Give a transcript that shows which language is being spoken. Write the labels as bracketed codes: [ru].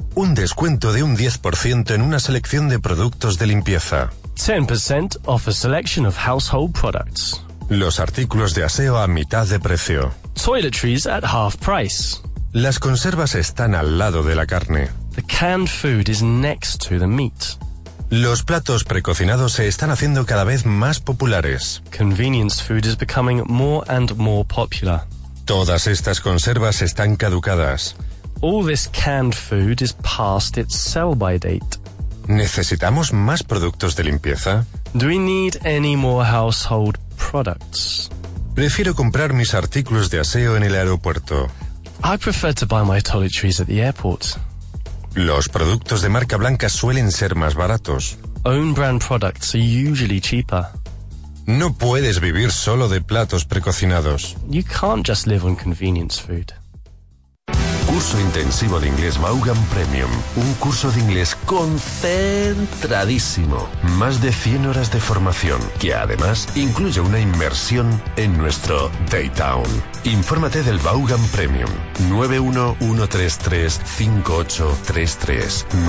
[es] Un descuento de un 10% en una selección de productos de limpieza. [en] 10% off a selection of household products. [es] Los artículos de aseo a mitad de precio. [en] Toiletries at half price. [es] Las conservas están al lado de la carne. [en] The canned food is next to the meat. [es] Los platos precocinados se están haciendo cada vez más populares. [en] Convenience food is becoming more and more popular. [es] Todas estas conservas están caducadas. [en] All this canned food is past its sell-by date. [es] ¿Necesitamos más productos de limpieza? [en] Do we need any more household products? [es] Prefiero comprar mis artículos de aseo en el aeropuerto. [en] I prefer to buy my toiletries at the airport. [es] Los productos de marca blanca suelen ser más baratos. [en] Own brand products are usually cheaper. [es] No puedes vivir solo de platos precocinados. [en] You can't just live on convenience food. [es] Curso intensivo de inglés Vaughan Premium. Un curso de inglés concentradísimo. Más de 100 horas de formación, que además incluye una inmersión en nuestro Daytown. Infórmate del Vaughan Premium. 91-133-5833.